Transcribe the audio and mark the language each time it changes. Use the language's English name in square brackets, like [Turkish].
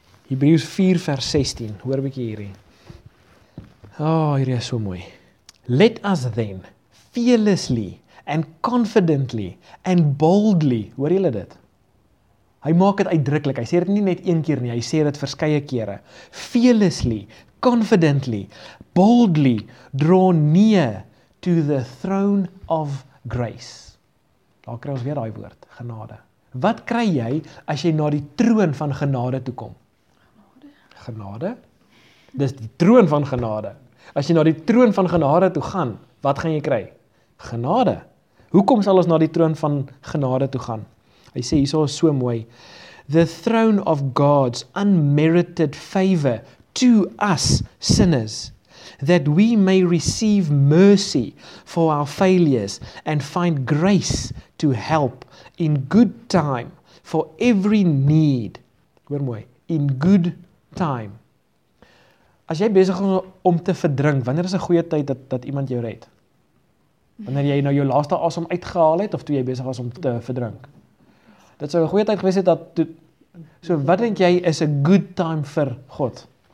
[Afrikaans] Hebreeus 4 vers 16, hoor 'n bietjie hierdie. Hierdie is so mooi. [English] Let us then fearlessly and confidently and boldly, [Afrikaans] hoor julle dit? Hy maak dit uitdruklik, hy sê dit nie net een keer nie, hy sê dit verskeie kere. [English] Fearlessly, confidently, boldly, draw near to the throne of grace. [Afrikaans] Daar kry ons weer die woord, genade. Wat kry jy as jy na die troon van genade toe kom? Genade. Dis die troon van genade. As jy na die troon van genade toe gaan, wat gaan jy kry? Genade. Hoekom sal ons na die troon van genade toe gaan? Hy sê, hier is so mooi. [English] The throne of God's unmerited favor to us sinners, that we may receive mercy for our failures and find grace to help in good time for every need. [Afrikaans] Hoor mooi, [English] in good time. [Afrikaans] As jy besig is om te verdrink, wanneer is 'n goeie tyd dat iemand jou red? Wanneer jy nou jou laaste asem uitgehaal het, of toe jy besig was om te verdrink? Dit sou 'n goeie tyd gewees het dat toe. So wat dink jy is 'n good time vir God?